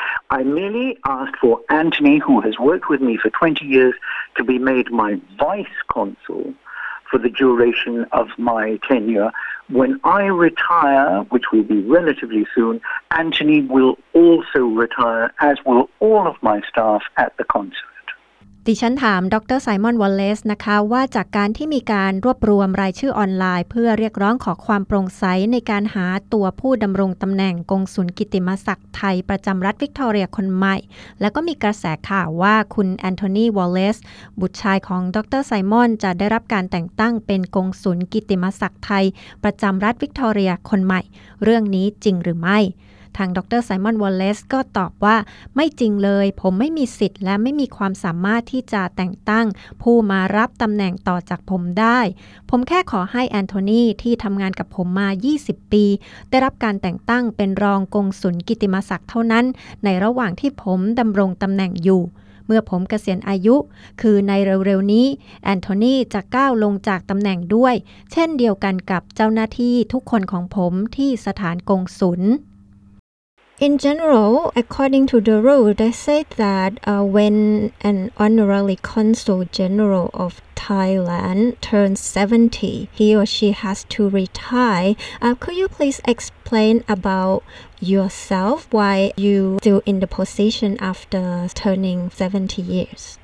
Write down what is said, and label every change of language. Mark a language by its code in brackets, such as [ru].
[en] I merely asked for Anthony, who has worked with me for 20 years, to be made my vice consul for the duration of my tenure. When I retire, which will be relatively soon, Anthony will also retire, as will all of my staff at the consul [th] ดิฉันถามดร. ไซมอนวอลเลซนะคะว่าจากการที่มีการรวบรวมรายชื่อออนไลน์เพื่อเรียกร้องขอความโปร่งใสในการหาตัวผู้ดำรงตำแหน่งกงสุลกิติมศักดิ์ไทยประจำรัฐวิกตอเรียคนใหม่และก็มีกระแสข่าวว่าคุณแอนโทนีวอลเลซบุตรชายของดร. ไซมอนจะได้รับการแต่งตั้งเป็นกงสุลกิติมศักดิ์ไทยประจำรัฐวิกตอเรียคนใหม่เรื่องนี้จริงหรือไม่ทางดร. ไซมอนวอลเลซก็ตอบว่าไม่จริงเลยผมไม่มีสิทธิ์และไม่มีความสามารถที่จะแต่งตั้งผู้มารับตำแหน่งต่อจากผมได้ผมแค่ขอให้แอนโทนีที่ทำงานกับผมมา20ปีได้รับการแต่งตั้งเป็นรองกงสุลกิติมศักดิ์เท่านั้นในระหว่างที่ผมดำรงตำแหน่งอยู่เมื่อผมเกษียณอายุคือในเร็วๆนี้แอนโทนีจะก้าวลงจากตำแหน่งด้วยเช่นเดียวกันกับเจ้าหน้าที่ทุกคนของผมที่สถานกงสุล [en] In general, according to the rule, they say that when an honorary consul general of Thailand turns 70, he or she has to retire. Could you please explain about yourself, why you're still in the position after turning 70 years?